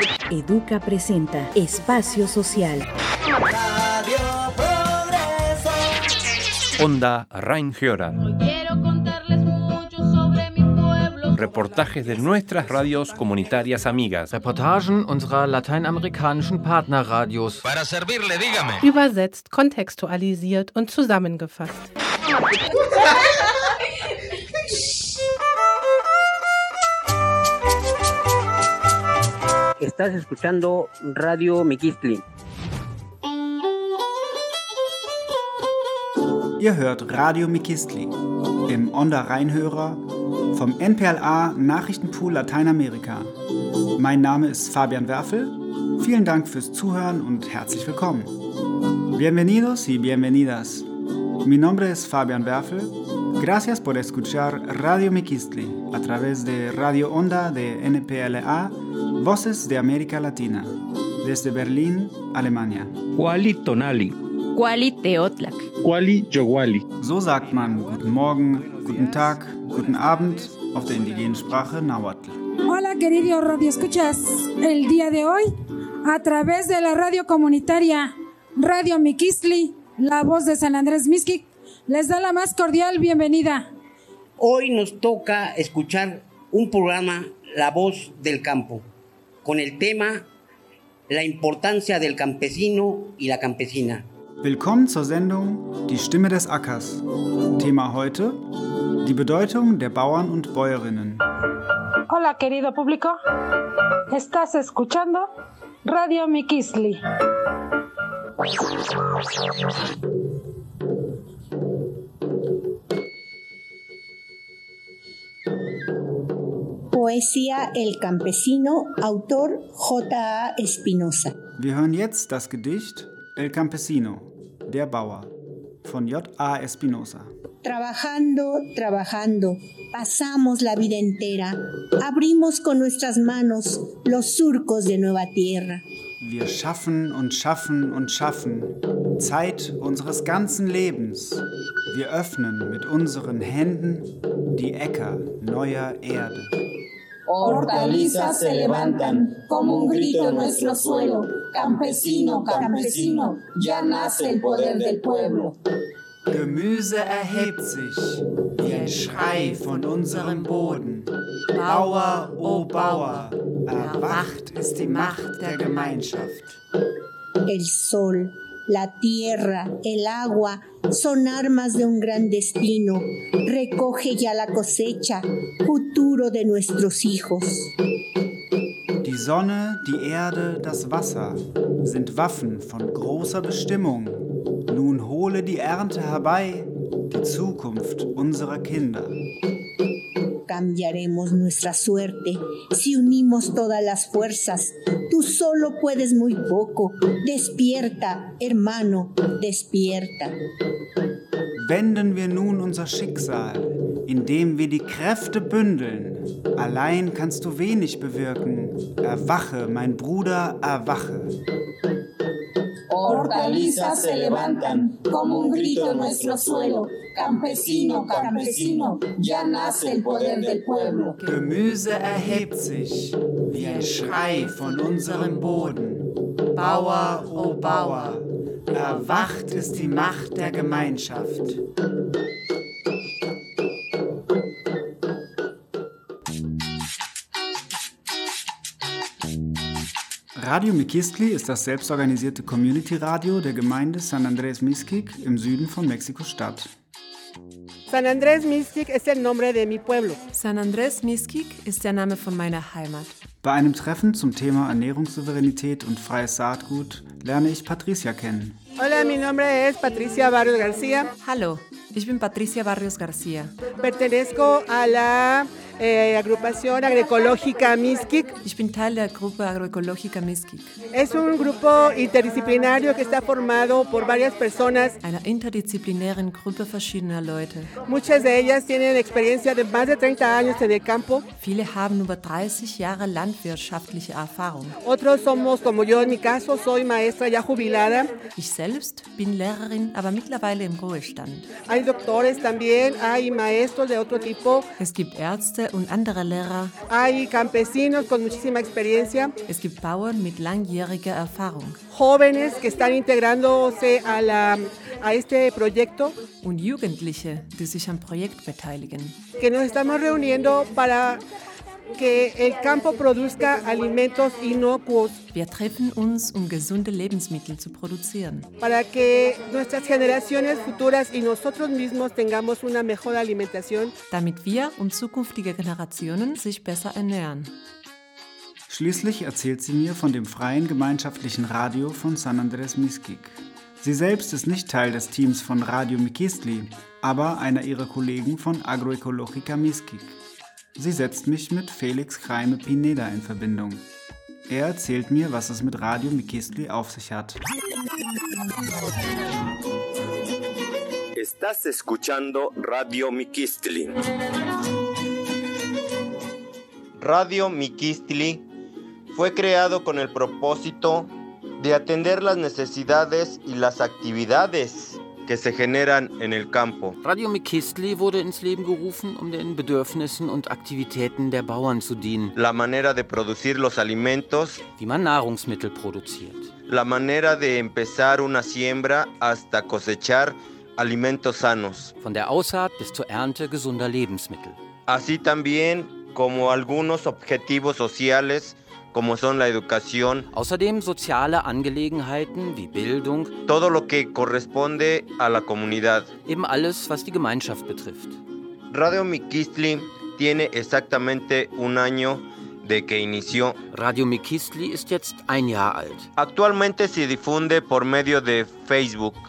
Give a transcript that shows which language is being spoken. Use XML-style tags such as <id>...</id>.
<es>Educa presenta Espacio Social. Radio Progreso. Onda Rheingeora. Reportajes de nuestras radios comunitarias amigas.</es> <de>Reportagen unserer lateinamerikanischen Partnerradios.</de> <es>Para servirle, dígame.</es> <de>Übersetzt, kontextualisiert und zusammengefasst.</de> <es>Estás escuchando Radio Mikitli.</es> <de>Ihr hört Radio Mikitli im Onda Rheinhörer. Vom NPLA Nachrichtenpool Lateinamerika. Mein Name ist Fabian Werfel. Vielen Dank fürs Zuhören und herzlich willkommen.</de> <es>Bienvenidos y bienvenidas. Mi nombre es Fabian Werfel. Gracias por escuchar Radio Mikitli a través de Radio Onda de NPLA, Voces de América Latina, desde Berlín, Alemania.</es> <nci>Kuali tonali. Kuali teotlak. Kuali yowali.</nci> <de>So sagt man guten Morgen, guten Tag, guten Abend auf der indigenen Sprache Nahuatl.</de> <es>Hola, querido Radio Escuchas. El día de hoy, a través de la radio comunitaria Radio Mikitli, la voz de San Andrés Mixquic, les da la más cordial bienvenida. Hoy nos toca escuchar un programa, La Voz del Campo, con el tema La importancia del campesino y la campesina.</es> <de>Willkommen zur Sendung Die Stimme des Ackers. Thema heute, die Bedeutung der Bauern und Bäuerinnen.</de> <es>Hola, querido público. Estás escuchando Radio Mikitli. Poesía El Campesino, autor J.A. Espinosa.</es> <de>Wir hören jetzt das Gedicht El Campesino. Der Bauer, von J.A. Espinosa.</de> <es>Trabajando, trabajando, pasamos la vida entera. Abrimos con nuestras manos los surcos de nueva tierra.</es> <de>Wir schaffen und schaffen und schaffen, Zeit unseres ganzen Lebens. Wir öffnen mit unseren Händen die Äcker neuer Erde.</de> <es>Hortalizas se levantan como un grito en nuestro suelo. Campesino, campesino, ya nace el poder del pueblo.</es> <de>Gemüse erhebt sich wie ein Schrei von unserem Boden. Bauer, o oh Bauer, erwacht ist die Macht der Gemeinschaft.</de> <es>El sol, la tierra, el agua son armas de un gran destino. Recoge ya la cosecha, futuro de nuestros hijos.</es> <de>Die Sonne, die Erde, das Wasser sind Waffen von großer Bestimmung. Nun hole die Ernte herbei, die Zukunft unserer Kinder.</de> <es>Cambiaremos nuestra suerte si unimos todas las fuerzas. Tú solo puedes muy poco. Despierta, hermano, despierta.</es> <de>Wenden wir nun unser Schicksal, indem wir die Kräfte bündeln. Allein kannst du wenig bewirken. Erwache, mein Bruder, erwache.</de> <es>Hortalizas se levantan como un grito en nuestro suelo. Campesino, campesino, ya nace el poder del pueblo.</es> <de>Gemüse erhebt sich wie ein Schrei von unserem Boden. Bauer, o oh Bauer, erwacht ist die Macht der Gemeinschaft. Radio Mikitli ist das selbstorganisierte Community-Radio der Gemeinde San Andrés Mixquic im Süden von Mexiko-Stadt. San Andrés Mixquic ist der Name</de> <es>de mi pueblo.</es> <de>San Andrés Mixquic ist der Name von meiner Heimat. Bei einem Treffen zum Thema Ernährungssouveränität und freies Saatgut lerne ich Patricia kennen.</de> <es>Hola, mi nombre es Patricia Barrios García.</es> <de>Hallo, ich bin Patricia Barrios García.</de> <es>Pertenezco a la Agrupación Agroecológica Miskik.</es> <de>Ich bin Teil der Gruppe Agroecológica Miskik.</de> <es>Es un grupo interdisciplinario que está formado por varias personas.</es> <de>Einer interdisziplinären Gruppe verschiedener Leute.</de> <es>Muchas de ellas tienen experiencia de más de 30 años en el campo.</es> <de>Viele haben über 30 Jahre landwirtschaftliche Erfahrung.</de> <es>Otros somos como yo, en mi caso, soy maestra ya jubilada.</es> <de>Ich selbst bin Lehrerin, aber mittlerweile im Ruhestand.</de> <es>Hay doctores también, hay maestros de otro tipo.</es> <de>Es gibt Ärzte und andere Lehrer.</de> <es>Hay campesinos con muchísima experiencia.</es> <de>Es gibt Bauern mit langjähriger Erfahrung.</de> <es>Jóvenes que están integrándose a este proyecto.</es> <de>Und Jugendliche, die sich am Projekt beteiligen.</de> <es>Que nos estamos reuniendo para que el campo produzca alimentos inocuos.</es> <de>Wir treffen uns, um gesunde Lebensmittel zu produzieren.</de> <es>Para que nuestras generaciones futuras y nosotros mismos tengamos una mejor alimentación.</es> <de>Damit wir und zukünftige Generationen sich besser ernähren. Schließlich erzählt sie mir von dem freien gemeinschaftlichen Radio von San Andrés Miskik. Sie selbst ist nicht Teil des Teams von Radio Mikistli, aber einer ihrer Kollegen von Agroecológica Miskik. Sie setzt mich mit Felix Jaime Pineda in Verbindung. Er erzählt mir, was es mit Radio Mikistli auf sich hat.</de> <es>Estás escuchando Radio Mikistli. Radio Mikistli fue creado con el propósito de atender las necesidades y las actividades que se generan en el campo.</es> <de>Radio Mikistli wurde ins Leben gerufen, um den Bedürfnissen und Aktivitäten der Bauern zu dienen.</de> <es>La manera de producir los alimentos.</es> <de>Wie man Nahrungsmittel produziert.</de> <es>La manera de empezar una siembra hasta cosechar alimentos sanos.</es> <de>Von der Aussaat bis zur Ernte gesunder Lebensmittel.</de> <es>Así también como algunos objetivos sociales, como son la educación.</es> <de>Außerdem soziale Angelegenheiten wie Bildung.</de> <es>Todo lo que corresponde a la comunidad.</es> <de>Eben alles, was die Gemeinschaft betrifft.</de> <es>Radio Mikistli tiene exactamente un año de que inició.</es> <de>Radio Mikistli ist jetzt ein Jahr alt.</de> <es>Actualmente se difunde por medio de Facebook.</es>